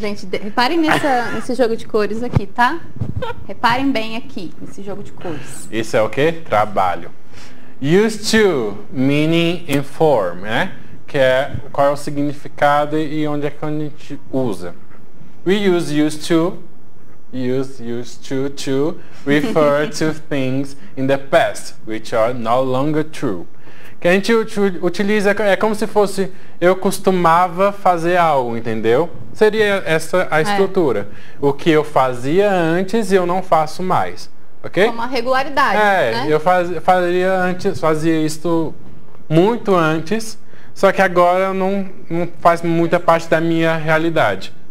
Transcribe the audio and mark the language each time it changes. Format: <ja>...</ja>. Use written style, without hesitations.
<pt>Gente, reparem nesse jogo de cores aqui, tá? Reparem bem aqui, nesse jogo de cores. Isso é o quê? Trabalho.</pt> <en>Used to, meaning and form,</en> <pt>né? Qual é o significado e onde é que a gente usa?</pt> <en>We use used to refer to things in the past, which are no longer true.</en> <pt>Que a gente utiliza é como se fosse eu costumava fazer algo, entendeu? Seria essa a É. estrutura. O que eu fazia antes e eu não faço mais. Ok? Como a regularidade, É, né? eu fazia antes, fazia isto muito antes, só que agora não faz muita parte da minha realidade.</pt>